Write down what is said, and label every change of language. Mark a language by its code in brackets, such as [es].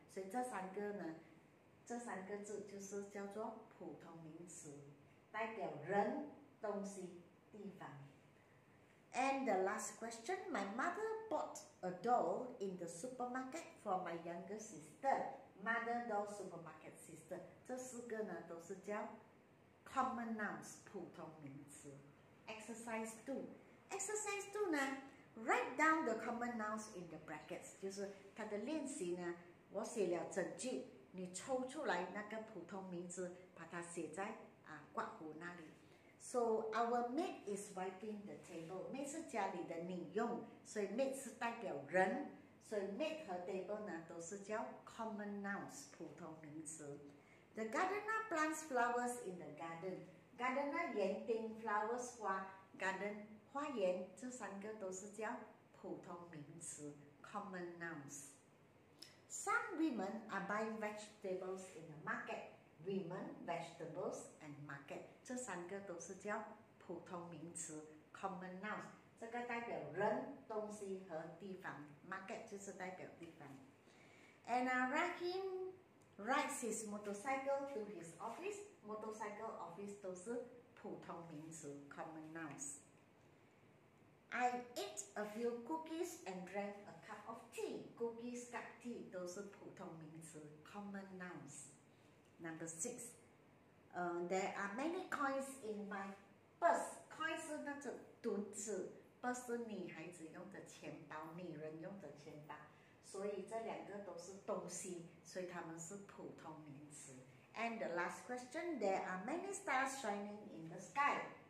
[zh] 所以这三个呢这三个字就是叫做普通名词代表人东西地方。 [en] And the last question, my mother bought a doll in the supermarket for my younger sister. Mother doll, supermarket sister. [zh] 这四个呢都是叫 [en] common nouns, [zh] 普通名词。 [en] Exercise 2. Exercise 2呢, write down the common nouns in the brackets. [zh] 就是它的练习呢我写了整句你抽出来那个普通名词把它写在括弧那里。 [en] So our maid is wiping the table. [zh] Maid 是家里的女佣，所以 maid 是代表人，所以 maid 和 table 呢都是叫 common nouns 普通名词。 [en] The gardener plants flowers in the garden. Gardener 园丁 flowers 花 garden 花园 [zh] 这三个都是叫普通名词 [en] common nouns. Some women are buying vegetables in the market. Women, vegetables, and market. [zh] 这三个都是叫普通名词 [en] common nouns. [zh] 这个代表人、东西和地方。 Market 就是代表地方。 [en] And Rahim rides his motorcycle to his office. Motorcycle office [zh] 都是普通名词 [en] common nouns. I ate a few cookies and drank a cup of tea. Cookies, cup, tea [zh] 都是普通名词 [en] common nouns. Number six, there are many coins in my purse. [zh] Coins 是那种墩子 ，purse 是女孩子用的钱包，女人用的钱包。所以这两个都是东西，所以它们是普通名词。 [en] And the last question, there are many stars shining in the sky.